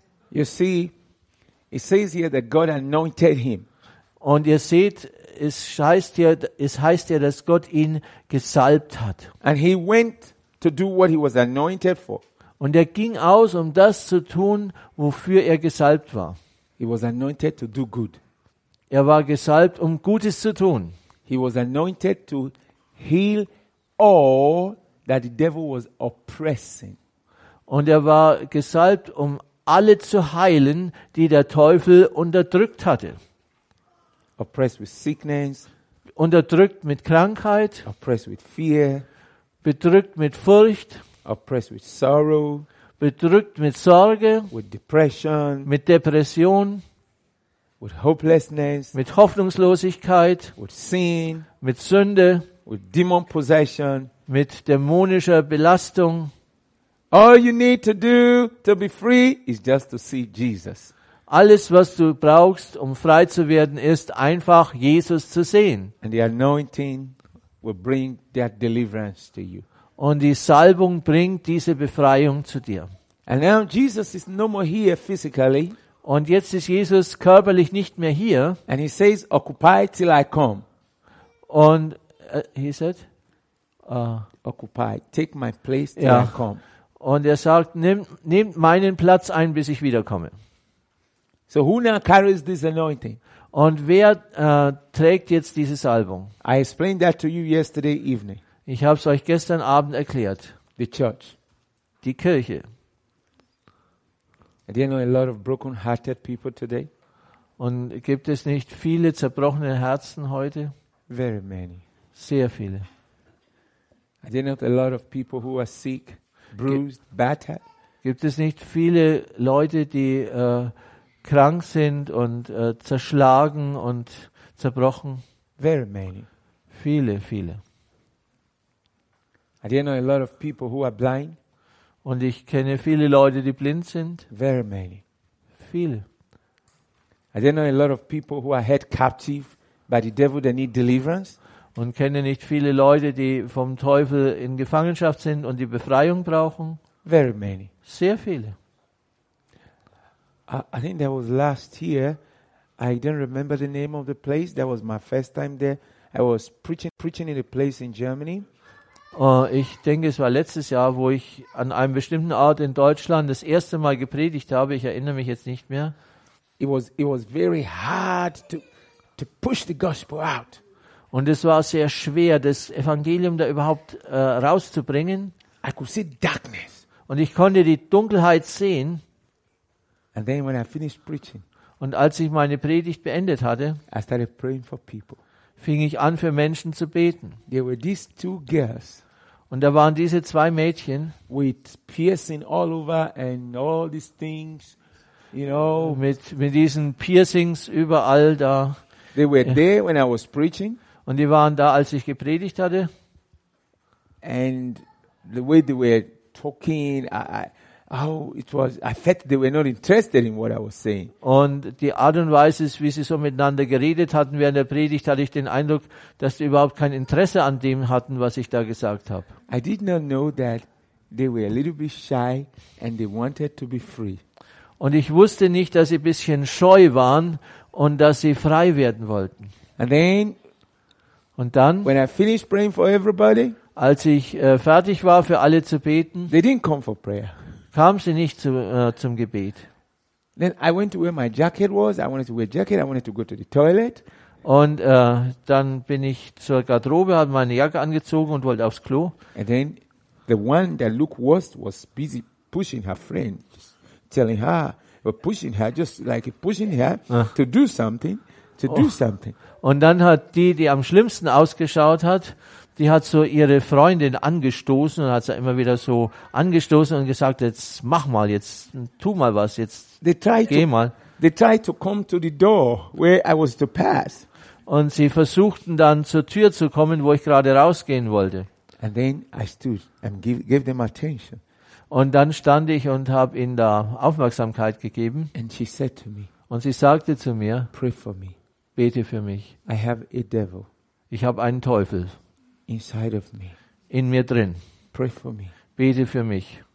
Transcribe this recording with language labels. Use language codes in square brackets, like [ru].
[en] You see, it says here that God anointed him. [de] Und ihr seht, es heißt hier, dass Gott ihn gesalbt hat. [en] And he went to do what he was anointed for. [de] Und er ging aus, um das zu tun, wofür er gesalbt war. [en] He was anointed to do good. [de] Er war gesalbt, um Gutes zu tun. [en] He was anointed to heal all that the devil was oppressing. [de] Und er war gesalbt, um alle zu heilen, die der Teufel unterdrückt hatte. [en] Oppressed with sickness. [de] Unterdrückt mit Krankheit. [en] Oppressed with fear. [de] Bedrückt mit Furcht. [en] Oppressed with sorrow. [de] Bedrückt mit Sorge. [en] With depression. [de] Mit Depression. [en] With hopelessness. [de] Mit Hoffnungslosigkeit. [en] With sin. [de] Mit Sünde. [en] With demon possession. [de] Mit dämonischer Belastung. [en] All you need to do to be free is just to see Jesus. [de] Alles, was du brauchst, um frei zu werden, ist einfach Jesus zu sehen. [en] And the anointing will bring that deliverance to you. [de] Und die Salbung bringt diese Befreiung zu dir. [en] And now Jesus is no more here physically. [de] Und jetzt ist Jesus körperlich nicht mehr hier. [en] And he says, "Occupy till I come." Und he said, "Occupy, take my place till I come." [de] Und er sagt, nehmt meinen Platz ein, bis ich wiederkomme. [en] So who now carries this anointing? [de] Und wer trägt jetzt diese Salbung? [en] I explained that to you yesterday evening. [de] Ich habe es euch gestern Abend erklärt. [en] The church. [de] Die Kirche. [en] And you know a lot of broken-hearted people today? [de] Und gibt es nicht viele zerbrochene Herzen heute? [en] Very many. [de] Sehr viele. [en] And you know a lot of people who are sick, bruised, battered? [de] Gibt es nicht viele Leute, die krank sind und zerschlagen und zerbrochen? [en] Very many. [de] Viele, viele. [en] I know a lot of people who are blind. [de] Und ich kenne viele Leute, die blind sind. [en] Very many. [de] Viele. [en] I know a lot of people who are held captive by the devil, they need deliverance. [de] Und kenne nicht viele Leute, die vom Teufel in Gefangenschaft sind und die Befreiung brauchen. [en] Very many. [de] Sehr viele. [en] I think that was last year. I don't remember the name of the place. That was my first time there. I was preaching in a place in Germany. [de] Ich denke, es war letztes Jahr, wo ich an einem bestimmten Ort in Deutschland das erste Mal gepredigt habe. Ich erinnere mich jetzt nicht mehr. [en] It was very hard to push the gospel out. [de] Und es war sehr schwer, das Evangelium da überhaupt rauszubringen. [en] I could see darkness. [de] Und ich konnte die Dunkelheit sehen. [en] And then when I finished preaching, [de] und als ich meine Predigt beendet hatte, [en] I started praying for people. [de] Fing ich an, für Menschen zu beten. [en] There were these two girls, [de] und da waren diese zwei Mädchen [en] with piercing all over and all these things, you know, [de] mit diesen Piercings überall da. [en] They were there when I was preaching, [de] und die waren da, als ich gepredigt hatte. [en] And the way they were talking, I felt they were not interested in what I was saying. [de] Und die Art und Weise, wie sie so miteinander geredet hatten während der Predigt, hatte ich den Eindruck, dass sie überhaupt kein Interesse an dem hatten, was ich da gesagt habe. [en] I did not know that they were a little bit shy and they wanted to be free. [de] Und ich wusste nicht, dass sie ein bisschen scheu waren und dass sie frei werden wollten. [en] And then, [de] und dann, [en] when I finished praying for everybody, [de] Als ich fertig war, für alle zu beten, [en] they didn't come for prayer. [de] Kamen sie nicht zum Gebet. [en] Then I went to where my jacket was. I wanted to wear a jacket. I wanted to go to the toilet. [de] Und dann bin ich zur Garderobe, habe meine Jacke angezogen und wollte aufs Klo. [en] And then the one that looked worst was busy pushing her friend, just telling her, or pushing her, just like pushing her to do something, to do something. [de] Und dann hat die am schlimmsten ausgeschaut hat, die hat so ihre Freundin angestoßen und hat sie immer wieder so angestoßen und gesagt, jetzt mach mal, jetzt tu mal was, jetzt geh mal. [en] They tried to come to the door where I was to pass. [de] Und sie versuchten dann zur Tür zu kommen, wo ich gerade rausgehen wollte. [en] And then I stood and gave them attention. [de] Und dann stand ich und habe ihnen da Aufmerksamkeit gegeben. [en] And she said to me, [de] und sie sagte zu mir, [en] pray for me. [de] Bete für mich. [en] I have a devil. [de] Ich habe einen Teufel. [en] Inside of me. [de] In mir drin. [en] Pray for me. [de] Bete für mich.